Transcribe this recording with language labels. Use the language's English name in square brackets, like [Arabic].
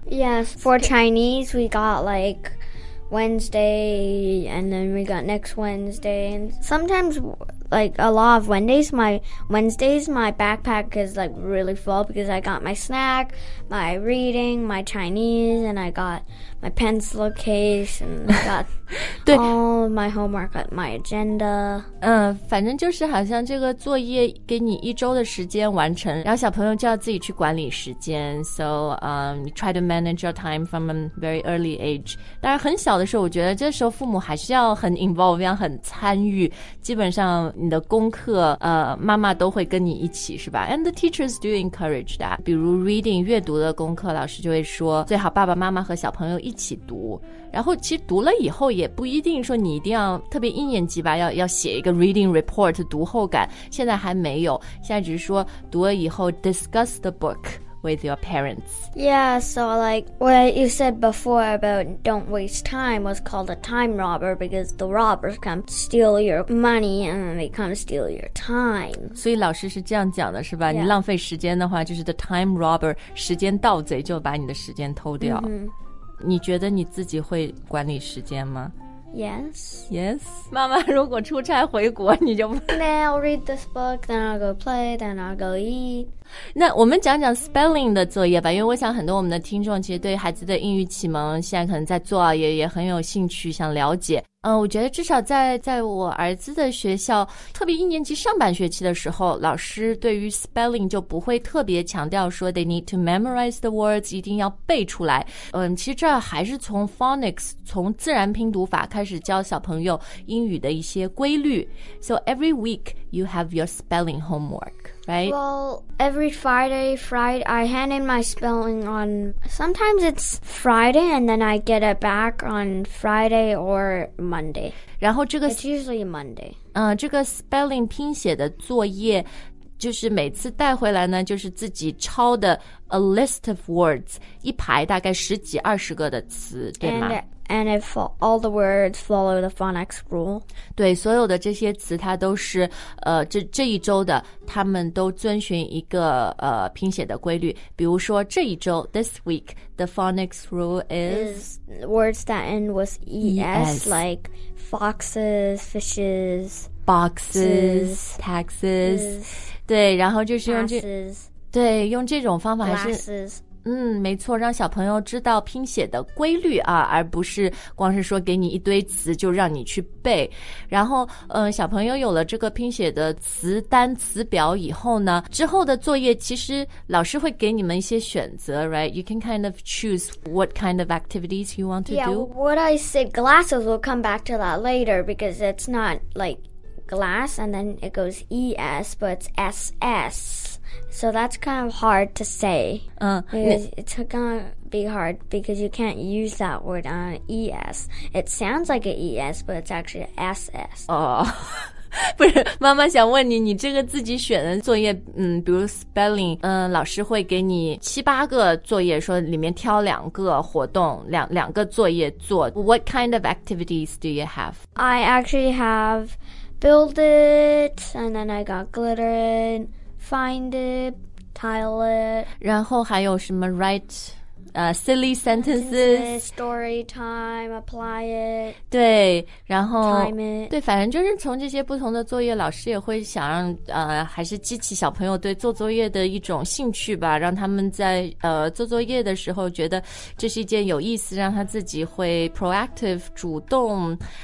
[English] Yes, for Chinese we got like... Wednesday, and then we got next Wednesday, and sometimes like a lot of Wednesdays. My Wednesdays, my backpack is like really full because I got my snack, my reading, my Chinese, and I got my pencil case, and I got [Chinese] 对 [English] all of my homework, my agenda. [Chinese] 反正就是好像这个作业给你一周的时间完成，然后小朋友就要自己去管理时间。 [English] So, you try to manage your time from a very early age. [Chinese] 当然很小的时候，我觉得这时候父母还是要很 involve， 要很参与。基本上你的功课，妈妈都会跟你一起，是吧？ [English] And the teachers do encourage that. [Chinese] 比如 reading 阅读的功课，老师就会说最好爸爸妈妈和小朋友一起读。然后其实读了以后也不一定说你一定要特别一年级吧，要写一个 reading report 读后感，现在还没有，现在只是说读了以后 [English] discuss the book with your parents. Yeah, so like what you said before about don't waste time was called a time robber because the robbers come steal your money and they come steal your time. [Chinese] 所以老师是这样讲的是吧、 [English] yeah. [Chinese] 你浪费时间的话就是 [English] the time robber， [Chinese] 时间盗贼就把你的时间偷掉、 mm-hmm. 你觉得你自己会管理时间吗？ [English] Yes. Yes. [Chinese] 妈妈如果出差回国你就不 [English] Then I'll read this book, then I'll go play, then I'll go eat. [Chinese] 那我们讲讲 spelling 的作业吧，因为我想很多我们的听众其实对孩子的英语启蒙现在可能在做也很有兴趣想了解。我觉得至少在我儿子的学校，特别一年级上半学期的时候，老师对于 spelling 就不会特别强调说 [English] they need to memorize the words， [Chinese] 一定要背出来。其实这还是从 phonics， 从自然拼读法开始教小朋友英语的一些规律。 [English] So every week you have your spelling homework, right? Well, every Friday, I hand in my spelling on, sometimes it's Friday and then I get it back on Friday or Monday. [Chinese] 然后这个 [English] It's usually Monday. [Chinese] 这个 spelling 拼写的作业就是每次带回来呢就是自己抄的 [English] a list of words， [Chinese] 一排大概十几二十个的词，对吗？ [English] And if all the words follow the phonics rule. [Chinese] 对，所有的这些词它都是这一周的他们都遵循一个拼写的规律。比如说这一周 [English] this week, the phonics rule is words that end with ES, like foxes, fishes, boxes, taxes. [Chinese] 对，然后就是用这 [English] passes, [Chinese] 对，用这种方法还是 [English] glasses, [Chinese] 没错，让小朋友知道拼写的规律啊，而不是光是说给你一堆词就让你去背。然后小朋友有了这个拼写的词单词表以后呢，之后的作业其实老师会给你们一些选择， right? [English] You can kind of choose what kind of activities you want to yeah, do. Yeah, what I said, glasses, we'll come back to that later because it's not like glass and then it goes ES, but it's SS. So that's kind of hard to say. It's gonna be hard because you can't use that word on ES. It sounds like an ES, but it's actually SS. [Chinese] Oh, 不是，妈妈想问你，你这个自己选的作业，比如 spelling， 老师会给你七八个作业，说里面挑两个活动，两个作业做。 [English] What kind of activities do you have? I actually have build it, and then I got glitter it. Find it, tile it. [Chinese] 然后还有什么 [English] write, silly sentences, story time, apply it. [Chinese] 对，然后 [English] time it. [Chinese] 对，反正就是从这些不同的作业，老师也会想让还是激起小朋友对做作业的一种兴趣吧，让他们在做作业的时候觉得这是一件有意思，让他自己会 proactive 主动。